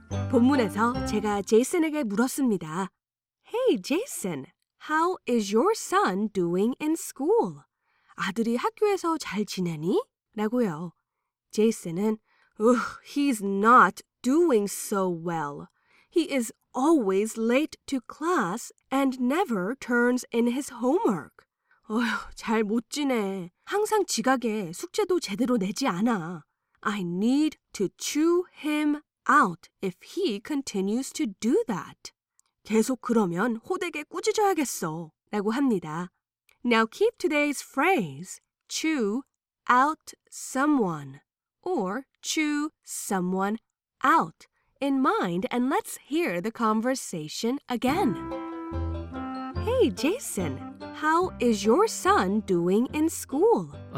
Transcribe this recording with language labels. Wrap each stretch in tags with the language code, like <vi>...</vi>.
<ko>본문에서 제가 제이슨에게 물었습니다.</ko> <en>Hey, Jason, how is your son doing in school?</en> <ko>아들이 학교에서 잘 지내니? 라고요. 제이슨은</ko> <en>he's not doing so well. He is always late to class and never turns in his homework.</en> <ko>잘 못 지내. 항상 지각해. 숙제도 제대로 내지 않아.</ko> <en>I need to chew him out if he continues to do that.</en> <ko>계속 그러면 호되게 꾸짖어야겠어. 라고 합니다.</ko> <en>Now keep today's phrase, chew out someone or chew someone out in mind and let's hear the conversation again. Hey, Jason, how is your son doing in school?</en>